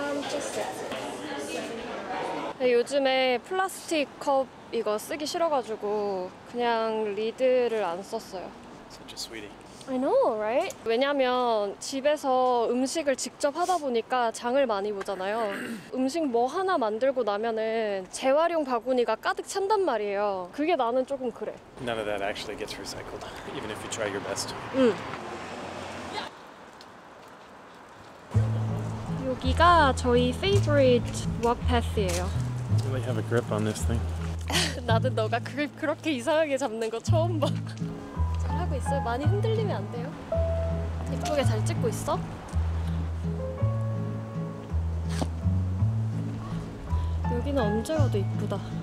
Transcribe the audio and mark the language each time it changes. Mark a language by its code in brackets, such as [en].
[ko] Just 요즘에 플라스틱 컵 이거 쓰기 싫어가지고 그냥 리드를 안 썼어요. [en] Such a sweetie. I know, right? [ko] 왜냐면 집에서 음식을 직접 하다 보니까 장을 많이 보잖아요. 음식 뭐 하나 만들고 나면은 재활용 바구니가 가득 찬단 말이에요. 그게 나는 조금 그래. [en] None of that actually gets recycled, even if you try your best. [ko] 여기가 저희 [en] favorite walk path [ko] 예요. [en] You really have a grip on this thing. [ko] 나도 너가 그립 그렇게 이상하게 잡는 거 처음 봐. 잘하고 있어요. 많이 흔들리면 안 돼요. 이쪽에 잘 찍고 있어. 여기는 언제 가도 이쁘다.